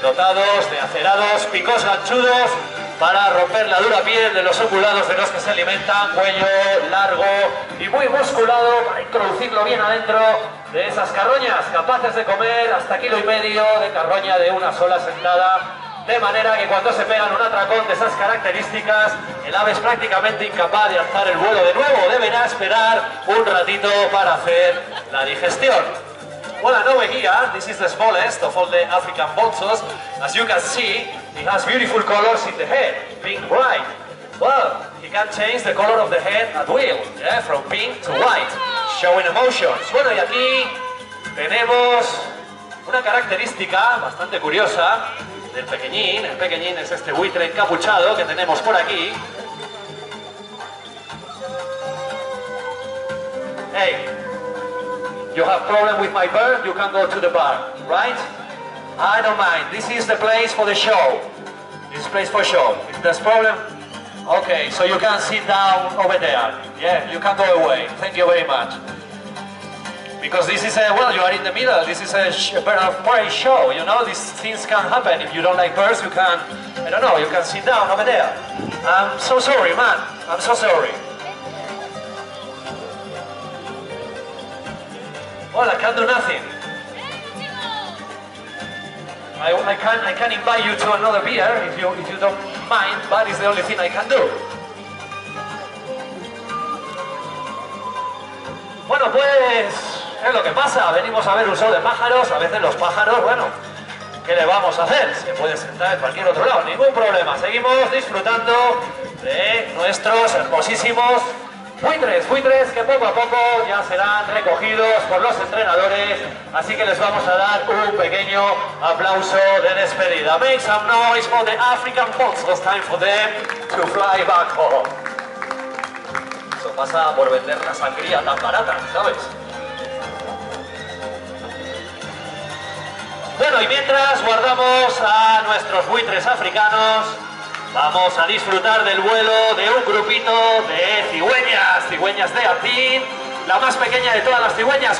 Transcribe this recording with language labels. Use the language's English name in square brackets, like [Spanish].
[Spanish] Dotados de acerados picos ganchudos para romper la dura piel de los ungulados de los que se alimentan, cuello largo y muy musculado para introducirlo bien adentro de esas carroñas, capaces de comer hasta kilo y medio de carroña de una sola sentada. De manera que cuando se pegan un atracón de esas características, el ave es prácticamente incapaz de alzar el vuelo de nuevo. Deberá esperar un ratito para hacer la digestión. [English] Well, [Spanish] a nuevo guía, [English] this is the smallest of all the African bolsos. As you can see, he has beautiful colors in the head, pink, white. Well, he can change the color of the head at will, yeah, from pink to white, showing emotions. [Spanish] Bueno, y aquí tenemos una característica bastante curiosa. El pequeñín es este buitre encapuchado que tenemos por aquí. [English] Hey, you have problem with my bird, you can go to the bar, right? I don't mind, this is the place for the show. This place for show. If there's problem, okay, so you can sit down over there. Yeah, you can go away, thank you very much. Because this is a, well, you are in the middle, this is a bird of prey show, you know, these things can happen. If you don't like birds, you can, I don't know, you can sit down over there. I'm so sorry, man, I'm so sorry. Well, I can't do nothing. I can invite you to another beer if you don't mind, but it's the only thing I can do. [Spanish] Bueno, pues, es lo que pasa, venimos a ver un show de pájaros, a veces los pájaros, bueno, ¿qué le vamos a hacer? Se puede sentar en cualquier otro lado, ningún problema. Seguimos disfrutando de nuestros hermosísimos buitres que poco a poco ya serán recogidos por los entrenadores, así que les vamos a dar un pequeño aplauso de despedida. [English] Make some noise for the African folks, it's time for them to fly back home. [Spanish] Eso pasa por vender la sangría tan barata, ¿sabes? Bueno, y mientras guardamos a nuestros buitres africanos, vamos a disfrutar del vuelo de un grupito de cigüeñas de Atín, la más pequeña de todas las cigüeñas.